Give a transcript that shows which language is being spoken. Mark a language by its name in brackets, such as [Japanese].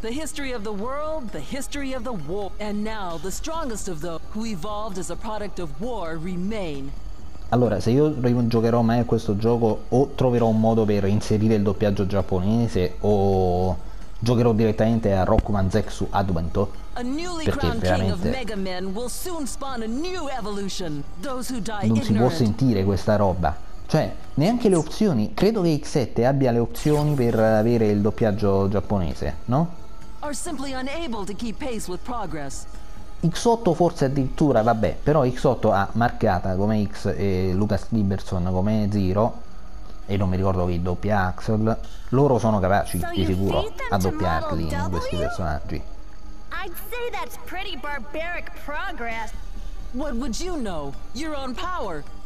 [English] The history of the world, the history of the war, and now the strongest of those who evolved as a product of war remain. [Italian] Allora, se io giocherò mai a questo gioco, o troverò un modo per inserire il doppiaggio giapponese, o giocherò direttamente a Rockman Zexu Advento. [English] A newly crowned king of Mega Men will soon spawn a new evolution. Those who die [Italian] non si può sentire questa roba. Cioè, neanche le opzioni. Credo che X7 abbia le opzioni per avere il doppiaggio giapponese, no? [English] Are simply unable to keep pace with progress. [Italian] X8 forse addirittura, vabbè, però X8 ha marcata come X e Lucas Liberson come Zero. E non mi ricordo chi doppia Axel. Loro sono capaci, di sicuro, a doppiarli in questi personaggi. [English] I'd say that's pretty barbaric progress. What would you know? Your own power.